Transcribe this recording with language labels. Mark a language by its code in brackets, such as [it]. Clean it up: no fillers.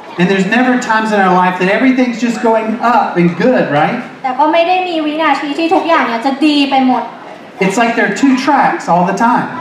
[en] And there's never times in our life that everything's just going up and good, right? [th] แต่ก็ไม่ได้มีวินาทีที่ทุกอย่างเนี่ยจะดีไปหมด [en] It's like there are two tracks all the time.